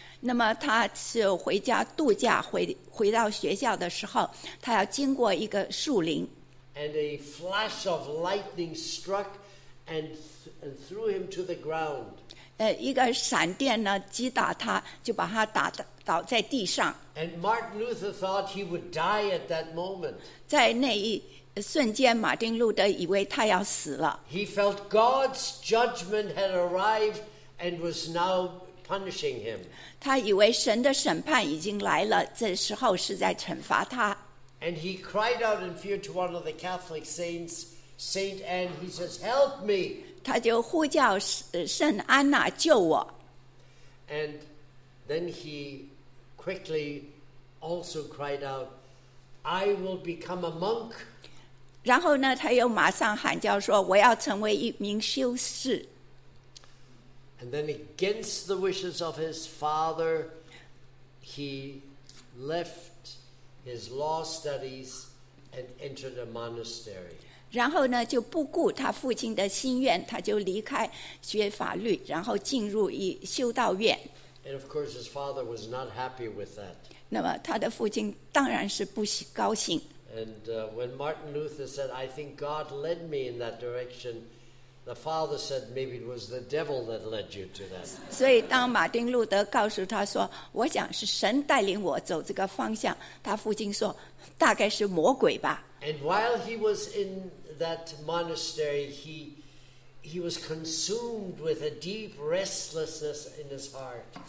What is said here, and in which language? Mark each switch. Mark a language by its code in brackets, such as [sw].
[zh] 那么他是回家度假，回到学校的时候，他要经过一个树林。 [en] And a flash of lightning struck and threw him to the ground. [zh] 一个闪电呢击打他，就把他打倒在地上。 [en] And Martin Luther thought he would die at that moment. [zh] 在那一瞬间，马丁路德以为他要死了。 [en] He felt God's judgment had arrived and was now punishing him. [zh] 他以为神的审判已经来了，这时候是在惩罚他。 [en] And he cried out in fear to one of the Catholic saints, Saint Anne. He says, "Help me!" [zh] 他就呼叫圣安娜救我。 [en] And then he quickly also cried out, "I will become a monk." [zh] 然后呢，他又马上喊叫说，我要成为一名修士。 [en] And then, against the wishes of his father, he left his law studies and entered a monastery. [zh] 然后呢，就不顾他父亲的心愿，他就离开学法律，然后进入一修道院。 [en] And of course, his father was not happy with that. [zh] 那么他的父亲当然是不高兴。 [en] And when Martin Luther said, "I think God led me in that direction," the father said, "Maybe it was the devil that led you to that." [zh] 所以当马丁路德告诉他说，我想是神带领我走这个方向，他父亲说，大概是魔鬼吧。 [en] And while he was in that monastery, he was consumed with a deep restlessness in his heart.